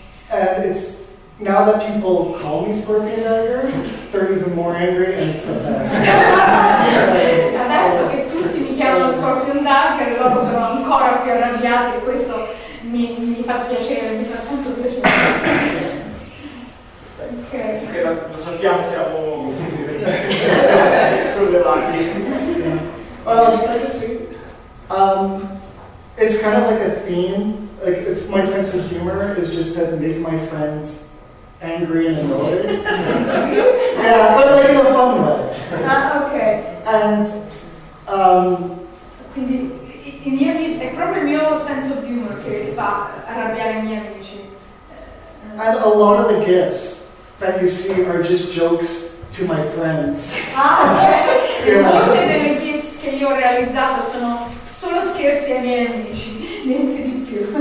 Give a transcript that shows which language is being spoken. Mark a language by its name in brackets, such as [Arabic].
[English] And it's now that people call me Scorpion Dagger, they're even more angry, and it's the best. [Italian] Adesso che tutti mi chiamano Scorpion Dagger, loro sono ancora più arrabbiati, e questo mi fa piacere, mi fa tanto piacere. [English] Okay. [Italian] Lo sappiamo, siamo. [English] lucky. Well, can I just see? It's kind of like a theme. Like, it's my sense of humor is just to make my friends angry and annoyed. Yeah, but like in a fun way. Okay. And [Italian] quindi i miei è proprio il mio senso [English] of humor [Italian] che fa arrabbiare i miei amici. [English] And a lot of the gifts that you see are just jokes to my friends. Ah, okay. Yeah. [Italian] Molte delle gifts che io ho realizzato sono solo scherzi ai miei amici, niente di più.